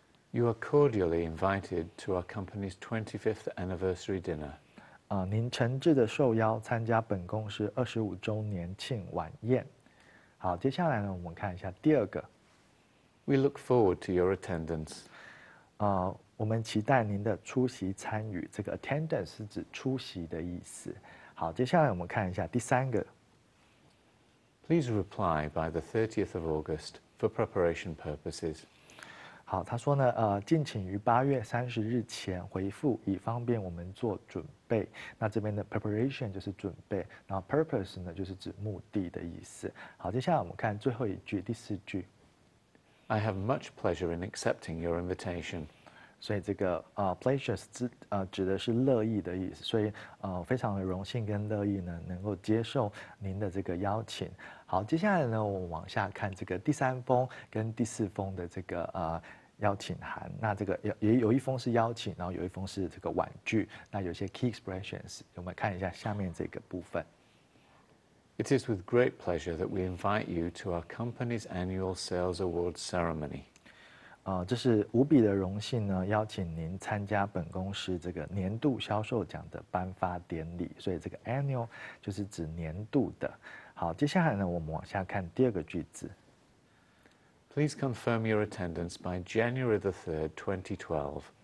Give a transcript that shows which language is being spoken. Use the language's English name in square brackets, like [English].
[English] You are cordially invited to our company's 25th anniversary dinner. [Chinese] 您诚挚的受邀参加本公司25周年庆晚宴。好，接下来呢，我们看一下第二个。 [English] We look forward to your attendance. [Chinese] 我们期待您的出席参与。这个 attendance 是指出席的意思。好，接下来我们看一下第三个。 [English] Please reply by the 30th of August for preparation purposes. [Chinese] 好，他说呢，敬请于8月30日前回复，以方便我们做准备。那这边的 preparation 就是准备，然后 purpose 呢就是指目的的意思。好，接下来我们看最后一句，第四句。 [English] I have much pleasure in accepting your invitation. [Chinese] 所以这个pleasure 指的是乐意的意思，所以非常的荣幸跟乐意呢，能够接受您的这个邀请。好，接下来呢，我们往下看这个第三封跟第四封的这个邀请函。那这个也有一封是邀请，然后有一封是这个婉拒。那有些 [English] key expressions， [Chinese] 我们看一下下面这个部分。 [English] It is with great pleasure that we invite you to our company's annual sales awards ceremony. [Chinese] 这是无比的荣幸呢，邀请您参加本公司这个年度销售奖的颁发典礼。所以这个 annual 就是指年度的。好，接下来呢，我们往下看第二个句子。 [English] Please confirm your attendance by January 3rd, 2012.